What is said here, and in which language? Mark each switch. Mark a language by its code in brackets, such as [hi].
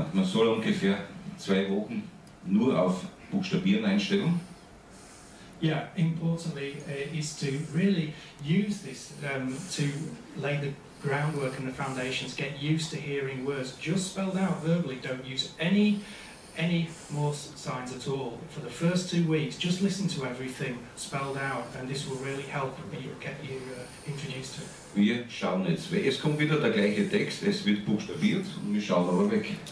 [de] Aha, man soll ungefähr 2 Wochen nur auf Buchstabieren einstellen. [en] Yeah, importantly, is to really use this to lay the groundwork and the foundations, get used to hearing words just spelled out verbally, don't use any Morse signs at all. For the first 2 weeks, just listen to everything spelled out, and this will really help you get you introduced to it. [de] Wir schauen jetzt. Es kommt wieder der gleiche Text, es wird buchstabiert, und wir schauen aber weg.